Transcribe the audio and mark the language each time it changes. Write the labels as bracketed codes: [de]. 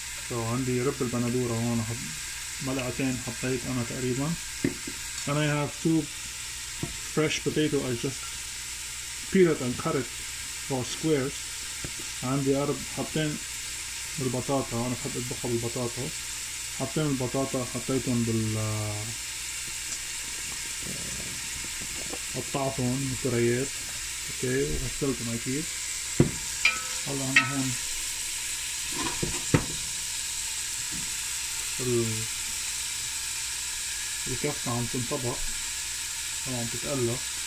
[ar] So عندي رب البندورة هون, ملعتين حطيت انا تقريبا. [en] And I have 2 fresh potato, I just peel it and cut it for squares. [ar] عندي حطين البطاطا, انا بحب اطبخها بالبطاطا. حطين البطاطا حطيتهم بال قطعتهم كريات. اوكي غسلتهم اكيد. هلا انا هون الكفتة عم تنطبق أو عم تتقلى.